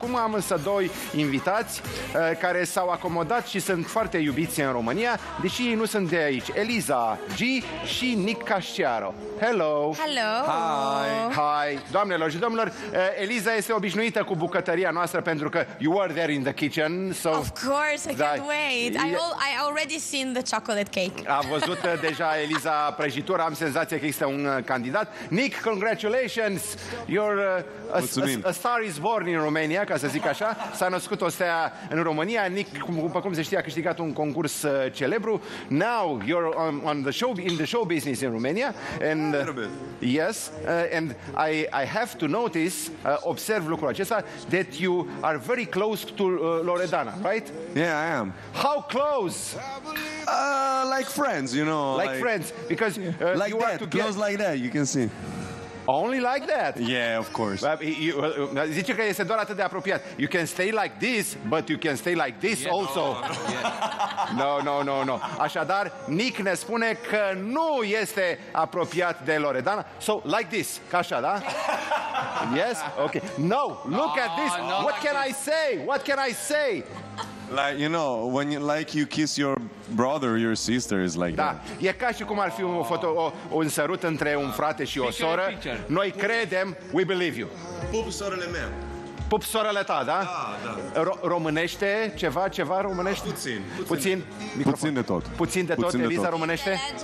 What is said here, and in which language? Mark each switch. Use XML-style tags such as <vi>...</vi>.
<ro>Acum am însă doi invitați care s-au acomodat și sunt foarte iubiți în România, deși ei nu sunt de aici. Eliza G și Nick Casciaro.</ro> <en>Hello! Hello! Hi! Hi!</en> <ro>Doamnelor și domnilor, Eliza este obișnuită cu bucătăria noastră pentru că</ro> <en>you were there in the kitchen, so... Of course, I can't wait! I already seen the chocolate cake.</en> <ro>A văzut deja Eliza prăjitura, am senzația că este un candidat.</ro> <en>Nick, congratulations! You're a star is born in Romania.</en> <ro>Ca să zic așa, s-a născut o stea în România. Nick, după cum se știe, a câștigat un concurs celebru.</ro> <en>Now you're on the show, in the show business in Romania. And yes, and I have to notice, observe</en> <ro>lucrul acesta,</ro> <en>that you are very close to Loredana, right? Yeah, I am. How close? Like friends, you know. Like friends, because like you that, are together. Close like that, you can see. Only like that? Yeah, of course.</en> <ro>Zice că este doar atât de apropiat.</ro> <en>You can stay like this, but you can stay like this also. No.</en> <ro>Așadar, Nick ne spune că nu este apropiat de Loredana.</ro> <en>So, like this,</en> <ro>ca așa, da?</ro> <en>Yes? Okay. No, look at this. What can I say? Like, you know, when you, like you kiss your brother or your sister is like</en> <ro>da.</ro> <en>That.</en> <ro>Da, e ca și cum ar fi un foto un sărut între un frate și o soră. Noi credem,</ro> <en>we believe you.</en> <ro>Pup sorele mea. Pup sorele ta, da? Da, da. Românește ceva românește? Puțin. Puțin de tot. Puțin de tot, Eliza românește?</ro>